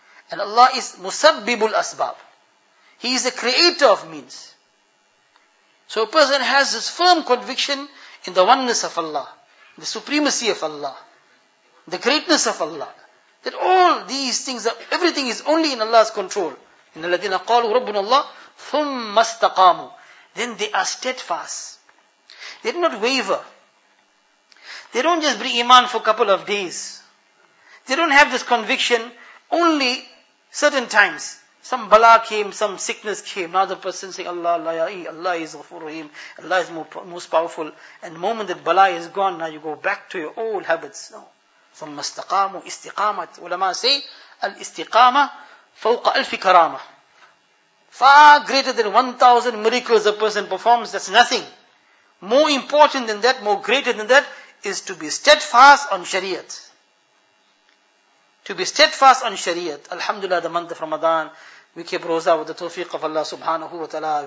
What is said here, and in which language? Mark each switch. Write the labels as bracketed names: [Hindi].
[English] And Allah is musabbibul asbab. He is the creator of means. So a person has this firm conviction in the oneness of Allah, the supremacy of Allah, the greatness of Allah, that all these things, everything is only in Allah's control. [Arabic] إن الذين قالوا ربنا الله ثم استقاموا. [English] Then they are steadfast. They do not waver. They don't just bring iman for a couple of days. They don't have this conviction only certain times. Some bala came, some sickness came. Now the person say, Allah, Allah is Ghafoor Rahim, Allah is most powerful. And the moment that bala is gone, now you go back to your old habits. No. [Arabic] ثم استقاموا استقامت. [English] Ulama say, [Arabic] الاستقامة فوق ألف كرامة. [English] Far greater than 1,000 miracles a person performs, that's nothing. More important than that, more greater than that, is to be steadfast on Shariat. To be steadfast on Shariat. Alhamdulillah, the month of Ramadan, we keep roza with the tawfiq of Allah subhanahu wa ta'ala.